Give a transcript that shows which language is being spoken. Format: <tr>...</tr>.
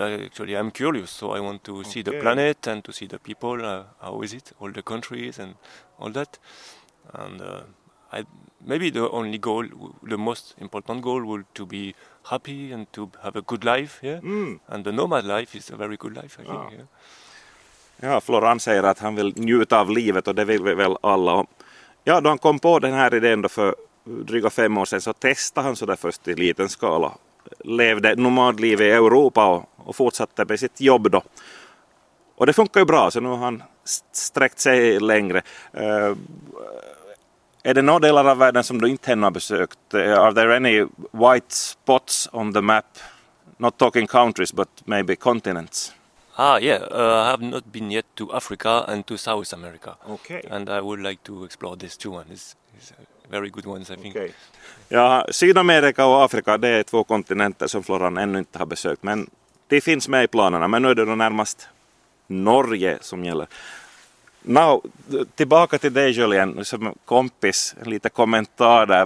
<en>Actually, I'm curious, so I want to see the planet and to see the people. How is it? All the countries and all that. And maybe the only goal, the most important goal, would to be happy and to have a good life here. Mm. And the nomad life is a very good life, I think.</en> <sv>Ja, Florent säger att han vill njuta av livet och det vill vi väl alla. Ja, då han kom på den här idén då för dryga 5 år sedan så testade han så där först i liten skala. Levde nomadliv i Europa och fortsatte med sitt jobb då. Och det funkar ju bra, så nu har han sträckt sig längre. Är det några delar av världen som du inte ännu har besökt?</sv> <en>Are there any white spots on the map? Not talking countries, but maybe continents. I have not been yet to Africa and to South America. Okay. And I would like to explore these two ones. It's very good ones, I think. Okay.</en> <sv>Ja, Sydamerika och Afrika, det är två kontinenter som Florent ännu inte har besökt. Men det finns med i planerna. Men nu är det närmast Norge som gäller. Now, tillbaka till dig Julien, som kompis, en liten kommentar där.</sv>